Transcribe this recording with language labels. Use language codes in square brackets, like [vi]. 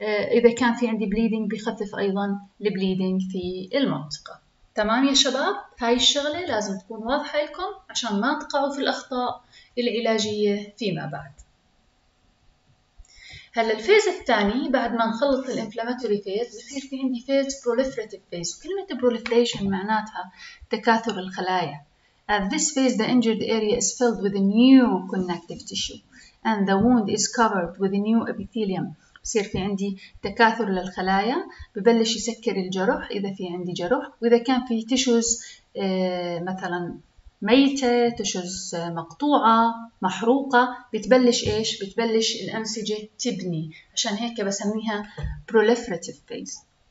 [ar] إذا كان في عندي bleeding بيخفف أيضاً البليدينج في المنطقة، تمام يا شباب؟ هاي الشغلة لازم تكون واضحة لكم عشان ما تقعوا في الأخطاء العلاجية فيما بعد. هلا الفيز الثاني بعد ما نخلط الانفلاماتوري فيز بصير في عندي فيز بروليفريتيف فيز. كلمة بروليفريشن معناتها تكاثر الخلايا. [en] At this phase the injured area is filled with a new connective tissue and the wound is covered with a new epithelium. [ar] بصير في عندي تكاثر للخلايا ببلش يسكر الجرح إذا في عندي جرح، وإذا كان في tissues مثلا ميتة، تشوز مقطوعة، محروقة، بتبلش إيش؟ بتبلش الأنسجة تبني، عشان هيك بسميها proliferative phase.